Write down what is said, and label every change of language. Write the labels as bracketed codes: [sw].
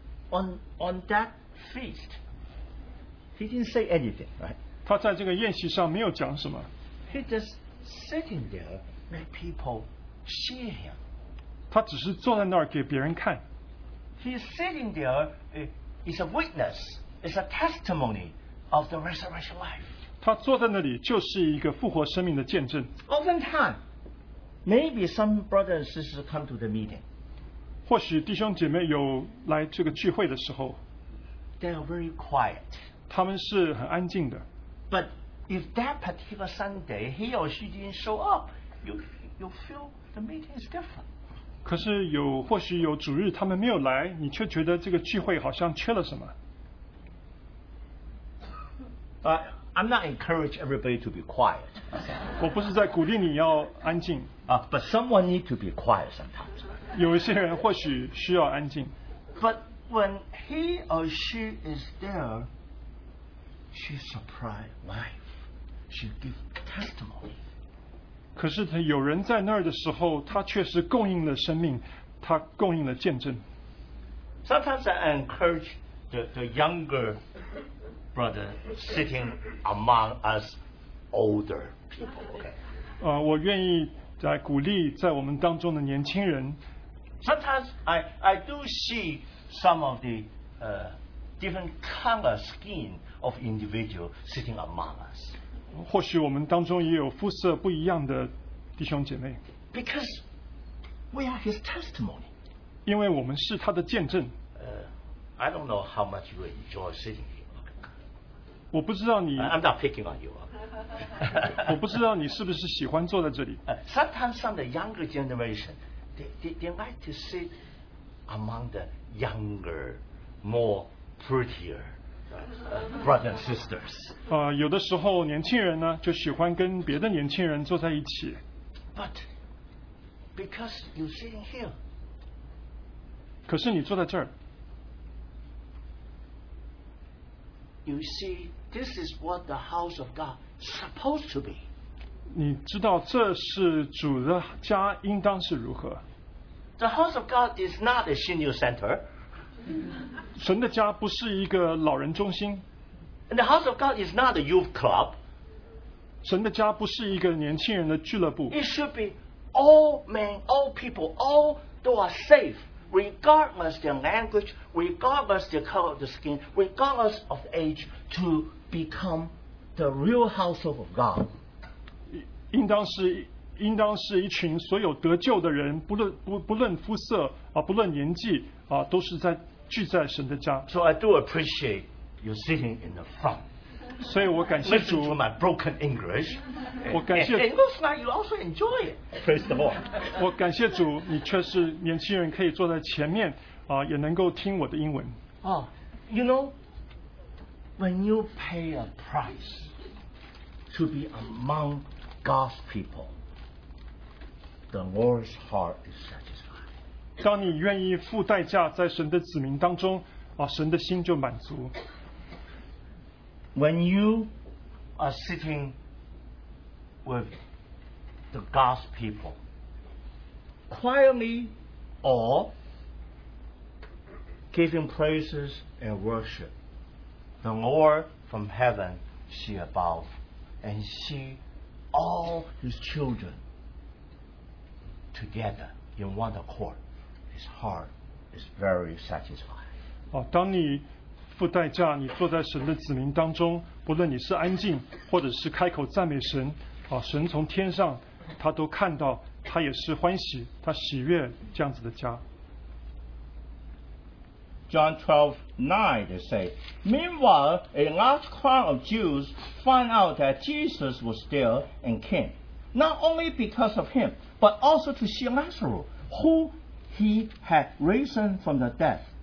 [en] On that feast, he didn't say anything, right? [zh] 他在这个宴席上没有讲什么。 [en] He just sitting there, let people see him. [zh] 他只是坐在那儿给别人看。 [en] He's sitting there, is a witness, is a testimony of the resurrection life. [zh] 他坐在那里就是一个复活生命的见证。 [en] Oftentimes, maybe some brothers and sisters come to the meeting. [zh] 或许弟兄姐妹有来这个聚会的时候 [en] They are very quiet. [zh] 他们是很安静的 [en] But if that particular Sunday he or she didn't show up, you feel the meeting is different. [zh] 可是有或许有主日他们没有来你却觉得这个聚会好像缺了什么 [en] I'm not encouraging everybody to be quiet. [zh] 我不是在鼓励你要安静 [en] But someone needs to be quiet sometimes. [zh] 有一些人或许需要安静。 [en] But when he or she is there, she surprises life. She gives testimony. [zh] 可是他有人在那儿的时候，他确实供应了生命，他供应了见证。 [en] Sometimes I encourage the younger brother sitting among us older people. Okay. [zh] 我愿意来鼓励在我们当中的年轻人。 [en] Sometimes I do see some of the different color skin of individual sitting among us. [zh] 或许我们当中也有肤色不一样的弟兄姐妹。 [en] Because we are his testimony. [zh] 因为我们是他的见证。 [en] I don't know how much you enjoy sitting here. [zh] 我不知道你。 [en] I'm not picking on you. [zh] 我不知道你是不是喜欢坐在这里。 [en] Sometimes some of the younger generation. They like to sit among the younger, more prettier brothers and sisters. [zh] 有的时候年轻人呢就喜欢跟别的年轻人坐在一起。 [en] But because you sitting here. [zh] 可是你坐在这儿。 [en] You see, this is what the house of God supposed to be. [zh] 你知道这是主的家应当是如何。 [en] The house of God is not a senior center. [zh] 神的家不是一个老人中心。 [en] And the house of God is not a youth club. [zh] 神的家不是一个年轻人的俱乐部。 [en] It should be all men, all people, all who are safe, regardless their language, regardless their color of the skin, regardless of age, to become the real house of God. [zh] 应当是一群所有得救的人，不论肤色啊，不论年纪啊，都是在聚在神的家。 [en] So I do appreciate you sitting in the front. [zh] 所以我感谢主。 [en] Listen to my broken English. [zh] 我感谢。 [en] It looks like you also enjoy it. Praise the Lord. [zh] 我感谢主，你确实年轻人可以坐在前面啊，也能够听我的英文。 [en] You know, when you pay a price to be among God's people. The Lord's heart is satisfied. [zh] 当你愿意付代价在神的子民当中，神的心就满足。 [en] When you are sitting with the God's people, quietly or giving praises and worship, the Lord from heaven see above and see all his children. Together in one accord, his heart is very satisfied. [zh] 当你付代价，你坐在神的子民当中，不论你是安静或者是开口赞美神，啊，神从天上他都看到，他也是欢喜，他喜悦这样子的家。 [en] John 12:9, they say, Meanwhile, a large crowd of Jews found out that Jesus was there and came, not only because of him, but also to see Lazarus, who he had risen from the dead.